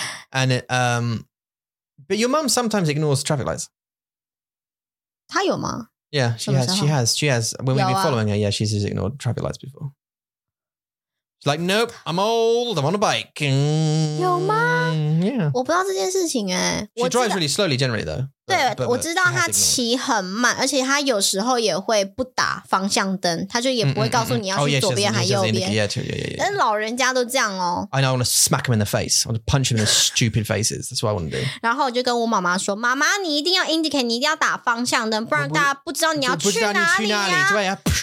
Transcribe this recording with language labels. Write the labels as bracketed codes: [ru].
[en] ，and it, but your mom sometimes ignores traffic lights. [zh] 她有吗？ [en] Yeah, she has. When we've been following her, yeah, she's just ignored traffic lights before. She's like, nope, I'm old, I'm on a bike. [zh] 有吗? [en] Yeah. [zh] 我不知道这件事情欸。 [en] She drives really slowly generally though. [zh] 对，我知道他骑很慢， 而且他有时候也会不打方向灯， 他就也不会告诉你要去左边还是右边。但老人家都这样哦。 [en] I know, I want to smack him in the face. I want to punch him in the stupid faces. That's what I want to do. [zh] 然后我就跟我妈妈说， 妈妈你一定要indicate， 你一定要打方向灯， 不然大家不知道你要去哪里啊。